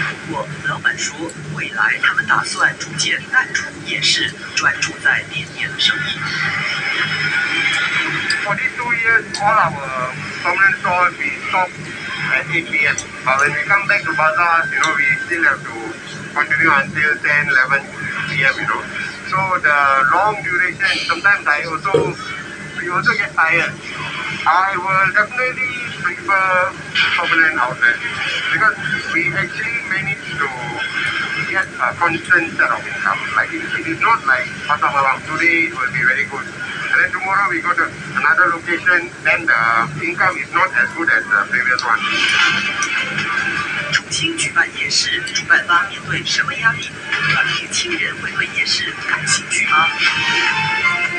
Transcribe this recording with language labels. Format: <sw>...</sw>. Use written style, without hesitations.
<zh>我老板说，未来他们打算逐渐淡出夜市，专注在店面的生意。</zh> <en>For these 2 years, all our permanent stores we stopped at 8 PM. But when we come back to bazaars, you know, we still have to continue until 10-11 PM. You know, so the long duration sometimes I also. You also get tired. I will definitely prefer permanent outlet because we actually manage to get a constant set of income. Like it is not like Pasar Malam today it will be very good, and then tomorrow we go to another location, then the income is not as good as the previous one.</en> <zh>重新举办夜市，主办方面对什么压力？年轻人会对夜市感兴趣吗？</zh>